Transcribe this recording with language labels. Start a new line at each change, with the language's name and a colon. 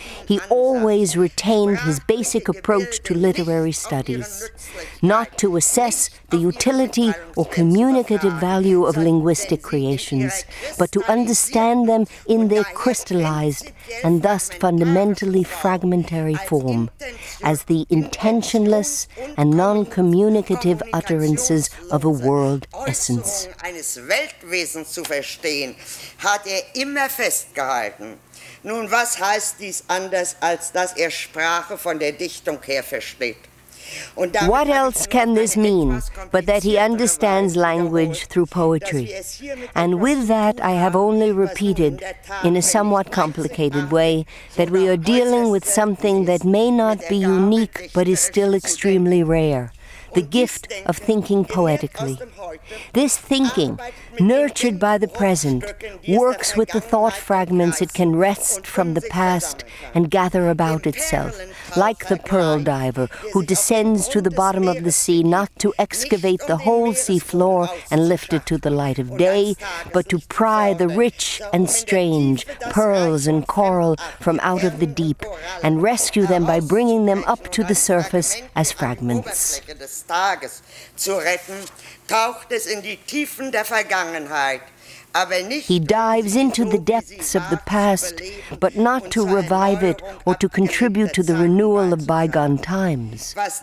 English: he always retained his basic approach to literary studies, not to assess the utility or communicative value of linguistic creations, but to understand them in their crystallized and thus fundamentally fragmentary form, as the intentionless and non-communicative utterances of a world essence.
German: Eines Weltwesens zu verstehen, hat immer festgehalten. Nun, was heißt dies anders, als dass Sprache von der Dichtung her versteht?
English: What else can this mean but that he understands language through poetry? And with that, I have only repeated, in a somewhat complicated way, that we are dealing with something that may not be unique but is still extremely rare. The gift of thinking poetically. This thinking, nurtured by the present, works with the thought fragments it can wrest from the past and gather about itself, like the pearl diver who descends to the bottom of the sea not to excavate the whole sea floor and lift it to the light of day, but to pry the rich and strange pearls and coral from out of the deep and rescue them by bringing them up to the surface as fragments.
German: Tages zu retten, taucht es in die Tiefen der Vergangenheit,
English: He dives into the depths of the past, but not to revive it or to contribute to the renewal of bygone times.